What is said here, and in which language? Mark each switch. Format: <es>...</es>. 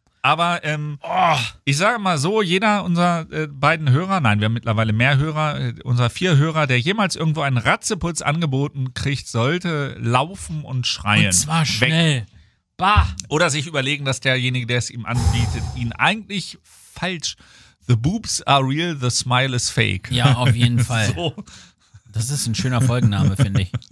<de>Aber ich sage mal so, jeder unserer beiden Hörer, nein, wir haben mittlerweile mehr Hörer, unser vier Hörer, der jemals irgendwo einen Ratzeputz angeboten kriegt, sollte laufen und schreien. Und zwar schnell. Bah. Oder sich überlegen, dass derjenige, der es ihm anbietet, ihn eigentlich falsch.</de> <en>The boobs are real, the smile is fake.</en> <de>Ja, auf jeden Fall. So. Das ist ein schöner Folgenname, finde ich.</de>